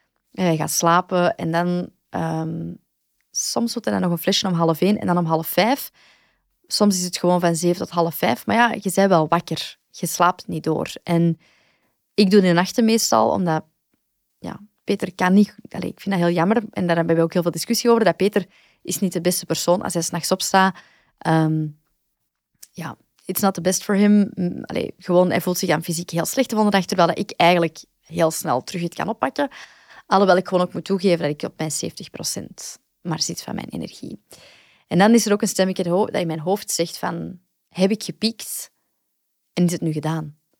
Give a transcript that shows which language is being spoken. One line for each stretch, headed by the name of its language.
Dutch: Je gaat slapen en dan... soms wordt er dan nog een flesje om 1:30 en dan om 4:30. Soms is het gewoon van 7 tot 4:30. Maar ja, je bent wel wakker. je slaapt niet door. En ik doe de nachten meestal, omdat ja, Peter kan niet... Allee, ik vind dat heel jammer, en daar hebben we ook heel veel discussie over, dat Peter is niet de beste persoon als hij 's nachts opstaat.
English: Ja, it's not the best for him.
Dutch: Allee, gewoon, hij voelt zich aan fysiek heel slecht van de nacht, terwijl ik eigenlijk heel snel terug het kan oppakken. Alhoewel ik gewoon ook moet toegeven dat ik op mijn 70% maar zit van mijn energie. En dan is er ook een stemmetje dat in mijn hoofd zegt van... Heb ik gepiekt? En is het nu gedaan?